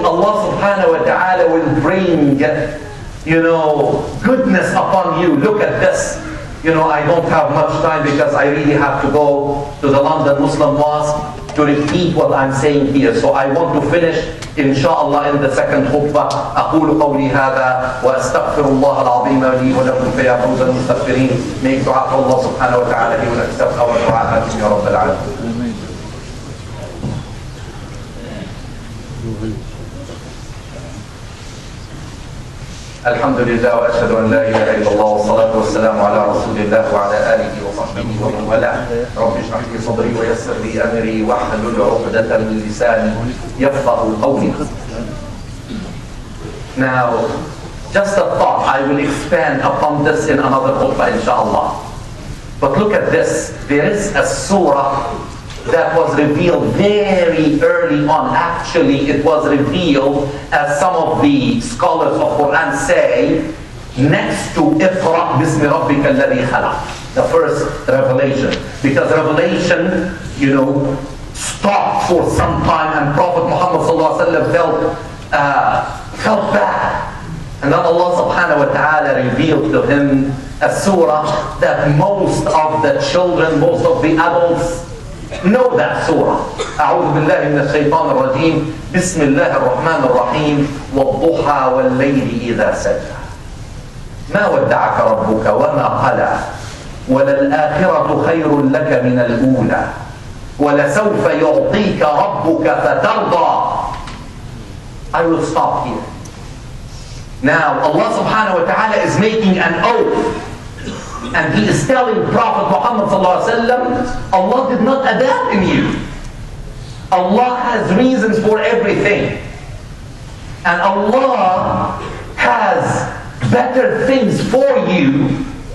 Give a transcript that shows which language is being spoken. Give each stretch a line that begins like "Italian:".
English: Allah subhanahu wa ta'ala will bring, you know, goodness upon you. Look at this. You know, I don't have much time because I really have to go to the London Muslim Mosque to repeat what I'm saying here. So I want to finish, inshallah, in the second khutbah.
Arabic: أقول قولي هذا وأستغفر الله العظيم لي ولكم فيا فوز المستغفرين.
English: Make dua for Allah subhanahu wa ta'ala and accept our dua. Amen. Ya Rabbal Alameen.
Arabic: الحمد لله وأشهد أن لا إله إلا الله والصلاة والسلام على رسول الله وعلى آله وصحبه ومن والاه. رب اشرح لي صدري ويسر لي أمري واحلل عقدة من لساني يفقه قولي.
English: Now, just a thought, I will expand upon this in another khutbah, inshallah. But look at this, there is a surah that was revealed very early on. Actually, it was revealed, as some of the scholars of Quran say, next to
Arabic: Iqra bismi rabbika alladhi khalaq,
English: the first revelation. Because revelation, you know, stopped for some time, and Prophet Muhammad sallallahu alaihi wasallam felt bad. And then Allah subhanahu wa ta'ala revealed to him a surah that most of the children, most of the adults, know that surah.
Arabic: أعوذ بالله من الشيطان الرجيم بسم الله الرحمن الرحيم والضحى والليل إذا سجى ما ودعك ربك وما قلى وللآخرة خير لك من الأولى ولسوف يعطيك ربك فترضى.
English: I will stop here. Now Allah subhanahu wa ta'ala is making an oath, and he is telling Prophet Muhammad sallallahu alaihi wasallam, Allah did not abandon you. Allah has reasons for everything, and Allah has better things for you